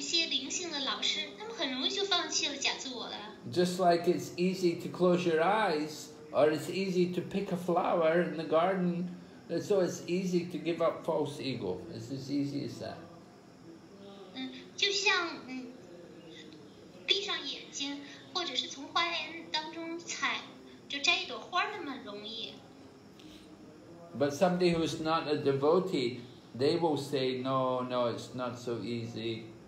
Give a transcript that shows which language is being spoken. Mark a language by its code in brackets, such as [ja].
[zh] 他们说，有一些权威，还有一些灵性的老师，他们很容易就放弃了假自我了。 [en] Just like it's easy to close your eyes, or it's easy to pick a flower in the garden, so it's easy to give up false ego. It's as easy as that. [zh] 就像闭上眼睛，或者是从花园当中摘一朵花那么容易。 [en] But somebody who's not a devotee, they will say, no, no, it's not so easy.